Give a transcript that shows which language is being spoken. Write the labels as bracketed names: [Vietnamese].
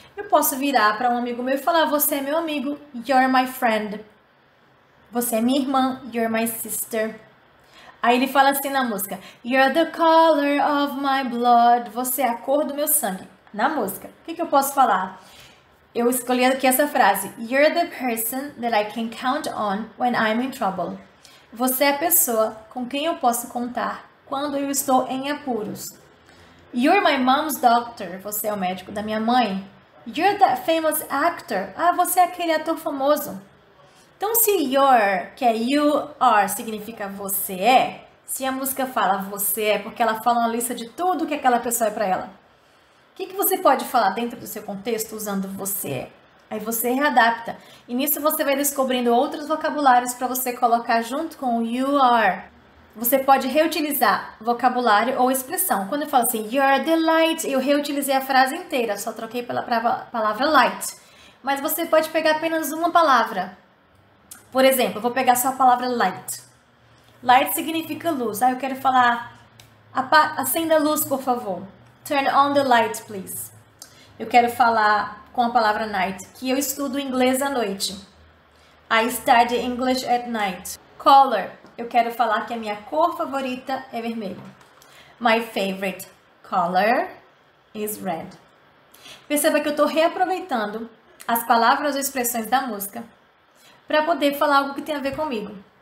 [Portuguese] Eu posso virar para um amigo meu e falar você é meu amigo, [English] you're my friend. [Portuguese] Você é minha irmã, [English] you're my sister. [Portuguese] Aí ele fala assim na música, [English] you're the color of my blood, [Portuguese] você é a cor do meu sangue. Na música, o que eu posso falar? Eu escolhi aqui essa frase. [English] You're the person that I can count on when I'm in trouble. [Portuguese] Você é a pessoa com quem eu posso contar quando eu estou em apuros. [English] You're my mom's doctor. [Portuguese] Você é o médico da minha mãe. [English] You're that famous actor. [Portuguese] Ah, você é aquele ator famoso. Então, se you're, que é you are, significa você é, se a música fala você é, porque ela fala uma lista de tudo que aquela pessoa é para ela. O que você pode falar dentro do seu contexto usando você? Aí você readapta. E nisso você vai descobrindo outros vocabulários para você colocar junto com o you are. Você pode reutilizar vocabulário ou expressão. Quando eu falo assim, [English] you're the light, [Portuguese] eu reutilizei a frase inteira, só troquei pela palavra light. Mas você pode pegar apenas uma palavra. Por exemplo, eu vou pegar só a palavra light. Light significa luz. Aí eu quero falar, acenda a luz, por favor. [English] Turn on the light, please. [Portuguese] Eu quero falar com a palavra night, que eu estudo inglês à noite. [English] I study English at night. [Portuguese] Color. Eu quero falar que a minha cor favorita é vermelho. [English] My favorite. color is red. [Portuguese] Perceba que eu estou reaproveitando as palavras ou expressões da música para poder falar algo que tem a ver comigo.